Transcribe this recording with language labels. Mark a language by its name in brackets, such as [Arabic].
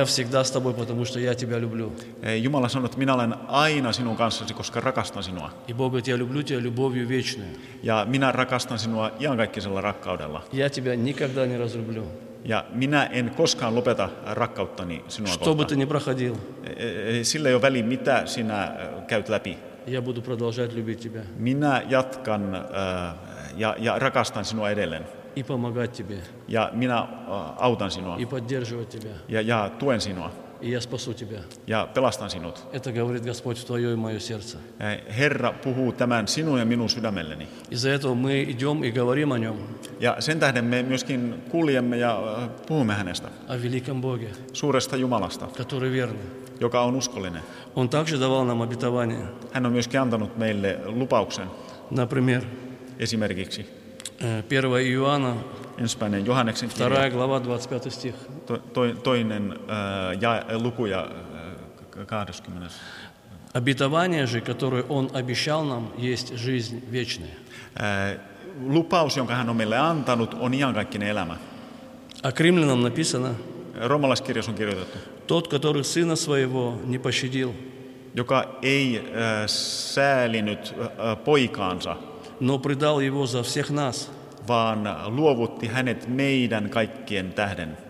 [Russian] Я всегда с тобой, потому что я тебя люблю. [Finnish] Jumala sanoo, että minä olen aina sinun kanssasi, koska rakastan sinua. [Russian] И Бог говорит, я люблю тебя любовью вечную. [Finnish] Ja minä rakastan sinua iankaikkisella рakkaudella. [Russian] Я тебя никогда не разлюблю. [Finnish] Ja minä en koskaan lopeta rakkauttani sinua kohtaan. [Russian] Что бы ты ни проходил. [Finnish] Sillä ei ole väliä, mitä sinä käyt läpi. [Russian] Я буду продолжать любить тебя. [Finnish] Minä jatkan ja rakastan sinua edelleen. [Russian] И помогать тебе. [Finnish] Ja minä autan sinua. [Russian] И поддерживать тебя. [Finnish] Ja tuen sinua. [Russian] И я спасу тебя. [Finnish] Ja pelastan sinut. [Russian] Это говорит Господь в твое и мое сердце. [Finnish] Herra puhuu tämän sinun ja minun sydämelleni. [Russian] Из-за этого мы идем и говорим о нем. [Finnish] Ja sen tähden me myöskin kuljemme ja puhumme hänestä. [Russian] О великом Боге. [Finnish] Suuresta Jumalasta. [Russian] Который верный. [Finnish] Joka on uskollinen. [Russian] Он также давал нам обетование. [Finnish] Hän on myöskin antanut meille lupauksen. [Russian] Например. [Finnish] Esimerkiksi. [Russian] 1 Иоанна. [Finnish] Ensimmäinen Johanneksen kirja. [Russian] 2 глава 25 стих. [Finnish] Toinen luku ja 20. [Russian] Обетование же, которое он обещал нам, есть жизнь вечная. [Finnish] Lupaus, jonka hän on meille antanut, on iankaikkinen elämä. [Russian] А к римлянам написано. [Finnish] Roomalaiskirjassa on kirjoitettu. [Russian] Тот, который сына своего не пощадил, [Finnish] joka ei säälinyt poikaansa, [Russian] но предал его за всех нас, [Finnish] vaan luovutti hänet meidän kaikkien tähden.